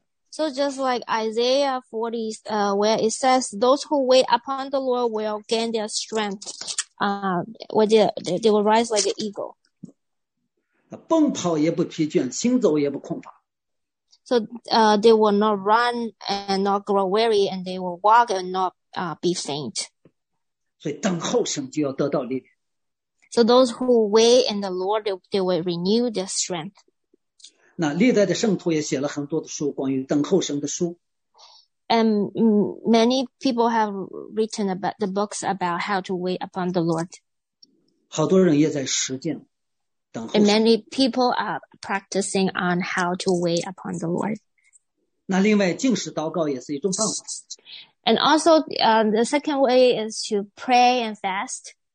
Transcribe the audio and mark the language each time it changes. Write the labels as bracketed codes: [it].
[en] So just like Isaiah 40, where it says, those who wait upon the Lord will gain their strength. They will rise like an eagle. [zh] 奔跑也不疲倦, 行走也不空乏。 [en] So they will not run and not grow weary, and they will walk and not be faint. [zh] 所以等候神就要得到力量。 [en] So those who wait in the Lord, they will renew their strength. [zh] 那历代的圣徒也写了很多的书, 关于等候神的书。 [en] And many people have written about the books about how to wait upon the Lord. [zh] 好多人也在实践。 [en] And many people are practicing on how to wait upon the Lord. [zh] 那另外,禁食祷告也是一种方法。 [en] And also, the second way is to pray and fast.